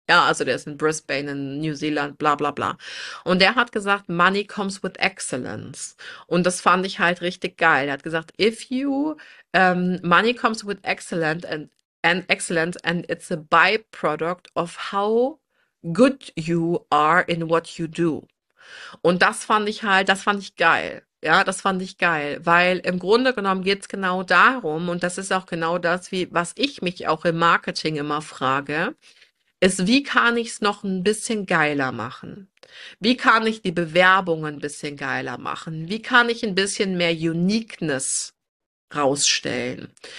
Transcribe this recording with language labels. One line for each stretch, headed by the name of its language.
German: Ja, also der ist in Brisbane, in New Zealand, bla bla bla. Und der hat gesagt,
English: Money comes with Excellence.
German: Und das fand ich halt richtig geil. Er hat gesagt,
English: if you, Money comes with Excellence and it's a byproduct of how good you are in what you do.
German: Und das fand ich halt, das fand ich geil. Ja, das fand ich geil, weil im Grunde genommen geht es genau darum, und das ist auch genau das, wie was ich mich auch im Marketing immer frage, ist, wie kann ich es noch ein bisschen geiler machen? Wie kann ich die Bewerbung ein bisschen geiler machen? Wie kann ich ein bisschen mehr Uniqueness rausstellen?